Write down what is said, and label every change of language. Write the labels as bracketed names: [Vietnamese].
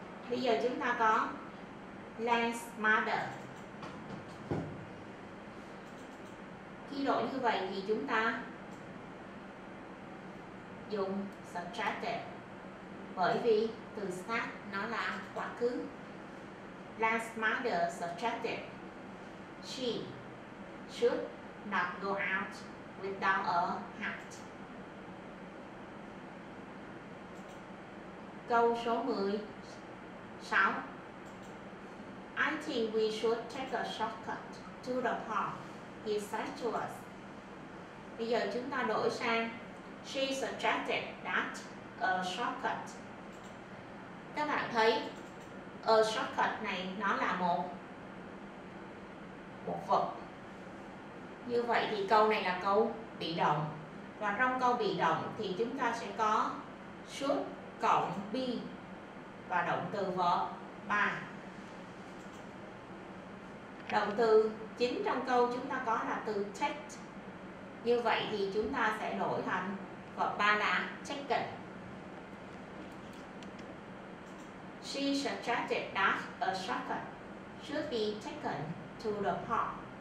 [Vietnamese] Bây giờ chúng ta có Lang's mother. Khi đổi như vậy thì chúng ta dùng subtracted bởi vì từ start nó là quá khứ. [English] Lan's mother suggested she should not go out without a hat. [Vietnamese] Câu số 16. [English] I think we should take a shortcut to the park, he said to us. [Vietnamese] Bây giờ chúng ta đổi sang [English] she suggested that a shortcut. [Vietnamese] Các bạn thấy a shortcut này nó là một vật. Như vậy thì câu này là câu bị động. Và trong câu bị động thì chúng ta sẽ có [English] should cộng be [Vietnamese] và động từ verb 3. Động từ chính trong câu chúng ta có là từ take. Như vậy thì chúng ta sẽ đổi thành verb 3 là taken. [English] She suggested that a shortcut should be taken to the park.